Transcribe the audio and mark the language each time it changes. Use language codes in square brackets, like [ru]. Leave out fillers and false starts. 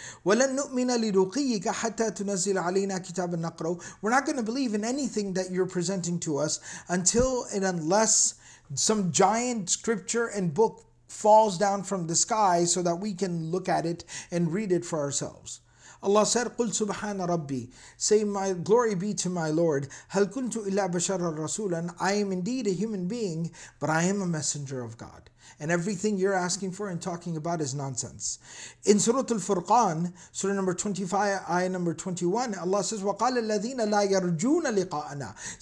[ar] وَلَن نُؤْمِنَ لِرُقِيِّكَ حَتَّى تُنَزِّلَ عَلَيْنَا كِتَابًا نَقْرَوْ. [en] We're not going to believe in anything that you're presenting to us until and unless some giant scripture and book falls down from the sky so that we can look at it and read it for ourselves. Allah said, [ar] قُلْ سُبْحَانَ رَبِّي. [en] Say, my glory be to my Lord. [ar] هَلْ كُنْتُ إِلَّا بَشَرًا رَسُولًا. [en] I am indeed a human being, but I am a messenger of God. And everything you're asking for and talking about is nonsense. In Surah Al-Furqan, Surah number 25, ayah number 21, Allah says, [ar] وَقَالَ الَّذِينَ لَا يَرْجُونَ لِقَاءَنَا.